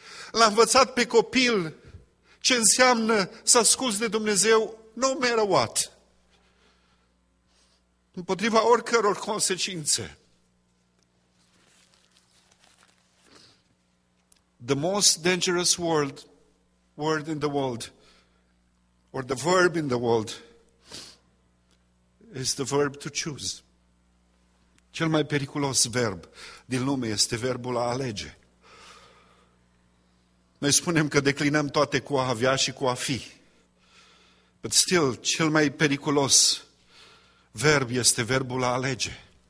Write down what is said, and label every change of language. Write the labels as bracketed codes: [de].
[ro] L-a învățat pe copil ce înseamnă să asculți de Dumnezeu [en] no matter what. [ro] Împotriva oricăror consecințe. [en] The most dangerous word in the world, or the verb in the world, is the verb to choose. [ro] Cel mai periculos verb din lume este verbul a alege. Noi spunem că declinăm toate cu a avea și cu a fi. [en] But still, [ro] cel mai periculos verb este verbul a alege.